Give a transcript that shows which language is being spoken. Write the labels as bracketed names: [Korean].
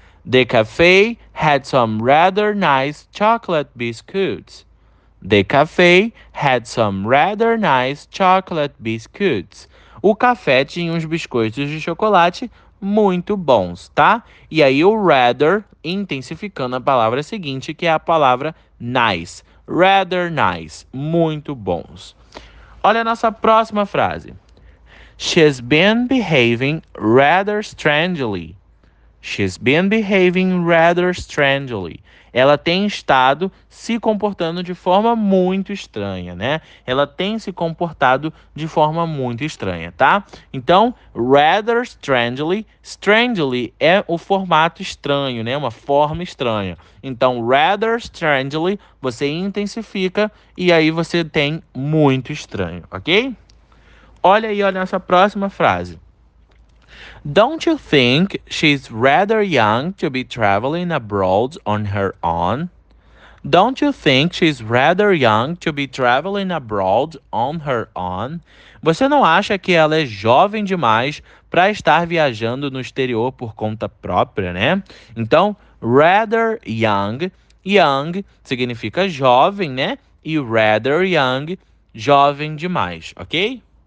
[English] The cafe had some rather nice chocolate biscuits. The cafe had some rather nice chocolate biscuits. [Portuguese] O café tinha uns biscoitos de chocolate muito bons, tá? E aí o rather intensificando a palavra seguinte, que é a palavra nice. Rather nice. Muito bons. Olha a nossa próxima frase. [English] She's been behaving rather strangely. She's been behaving rather strangely. [Portuguese] Ela tem estado se comportando de forma muito estranha, né? Ela tem se comportado de forma muito estranha, tá? Então, rather strangely. Strangely é o formato estranho, né? Uma forma estranha. Então, rather strangely, você intensifica e aí você tem muito estranho, ok? Olha aí, olha essa próxima frase. [English] Don't you think she's rather young to be traveling abroad on her own? Don't you think she's rather young to be traveling abroad on her own? [Portuguese] Você não acha que ela é jovem demais para estar viajando no exterior por conta própria, né? Então, rather young, young significa jovem, né? E rather young, jovem demais, ok?